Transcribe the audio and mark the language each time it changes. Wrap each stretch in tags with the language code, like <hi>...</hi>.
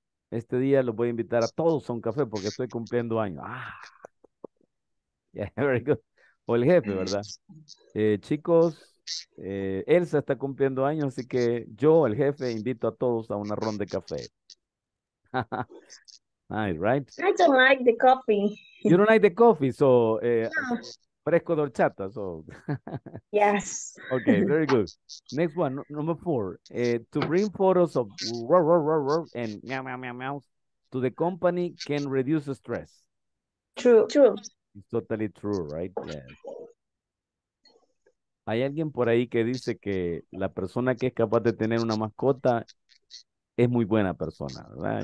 <es>Este día los voy a invitar a todos a un café porque estoy cumpliendo años.</es> <en>Ah, yeah, very good.</en> <es>O el jefe, ¿verdad? Chicos, Elsa está cumpliendo años, así que yo, el jefe, invito a todos a una ronda de café.</es> <en>Nice, right? I don't like the coffee. You don't like the coffee, so</en> <es>fresco de horchata,</es> <en>so. Yes. Okay, very good. Next one, number four. To bring photos of and meow, meow, meow, meow to the company can reduce stress. True. It's totally true, right? Yes.</en> <es>Hay alguien por ahí que dice que la persona que es capaz de tener una mascota es muy buena persona, ¿verdad?</es>